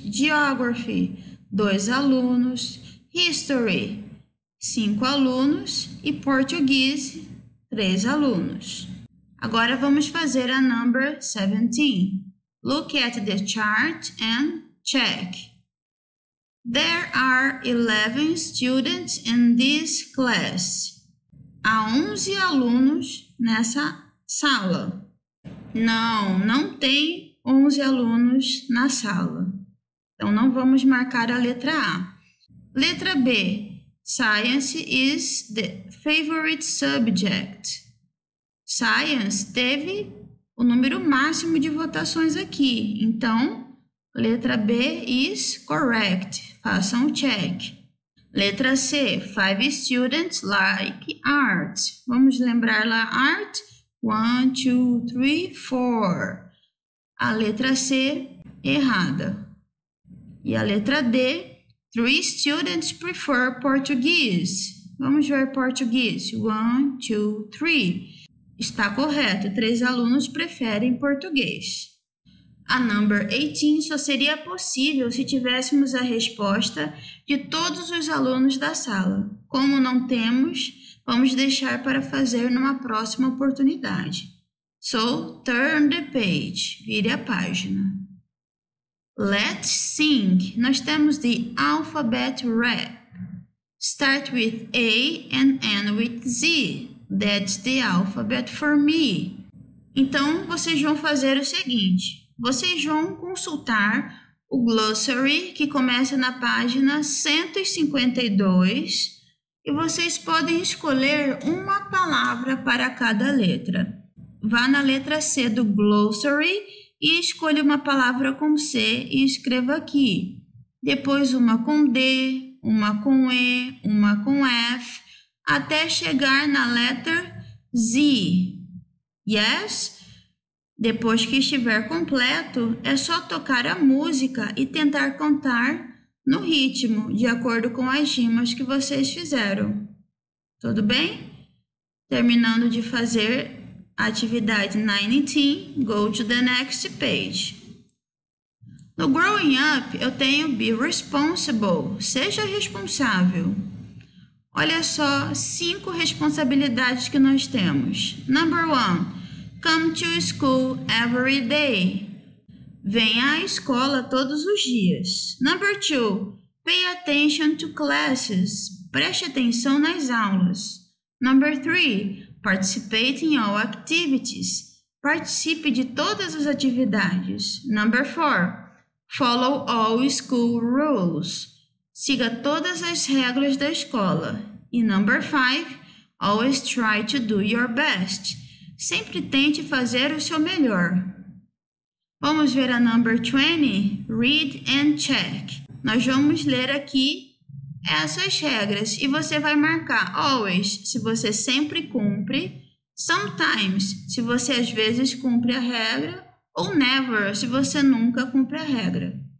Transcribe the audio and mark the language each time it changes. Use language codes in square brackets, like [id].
[en] Geography. 2 alunos. History. [pt] 5 alunos. E Portuguese. 3 alunos. Agora vamos fazer a number 17. [en] Look at the chart and check. There are 11 students in this class. [pt] Há 11 alunos nessa sala. Não tem 11 alunos na sala. Então, não vamos marcar a letra A. Letra B. [en] Science is the favorite subject. [pt] Science teve o número máximo de votações aqui. Então, letra B [en] is correct. [pt] Faça um check. Letra C. [en] 5 students like art. [pt] Vamos lembrar lá art. 1, 2, 3, 4. A letra C errada. E a letra D. [en] 3 students prefer Portuguese. [pt] Vamos ver Portuguese. 1, 2, 3. Está correto. 3 alunos preferem português. A number 18 só seria possível se tivéssemos a resposta de todos os alunos da sala. Como não temos, vamos deixar para fazer numa próxima oportunidade. [en] So, turn the page. [pt] Vire a página. [en] Let's sing. [pt] Nós temos [en] the alphabet rap. Start with A and end with Z. That's the alphabet for me. [pt] Então, vocês vão fazer o seguinte. Vocês vão consultar o glossary que começa na página 152 e vocês podem escolher uma palavra para cada letra. Vá na letra C do glossary e escolha uma palavra com C e escreva aqui. Depois uma com D, uma com E, uma com F, até chegar na letra Z. Yes? Depois que estiver completo, é só tocar a música e tentar cantar no ritmo, de acordo com as rimas que vocês fizeram. Tudo bem? Terminando de fazer a atividade 19, [en] go to the next page. [pt] No Growing Up, eu tenho Be Responsible. Seja responsável. Olha só 5 responsabilidades que nós temos. [en] Number 1. Come to school every day. [pt] Venha à escola todos os dias. Number 2. [en] Pay attention to classes. [pt] Preste atenção nas aulas. [en] Number 3. Participate in all activities. [pt] Participe de todas as atividades. [en] Number 4. Follow all school rules. [pt] Siga todas as regras da escola. E number 5. [en] Always try to do your best. [pt] Sempre tente fazer o seu melhor. Vamos ver a number 20, read and check. Nós vamos ler aqui Essas regras, e você vai marcar always, se você sempre cumpre, sometimes, se você às vezes cumpre a regra, ou never, se você nunca cumpre a regra.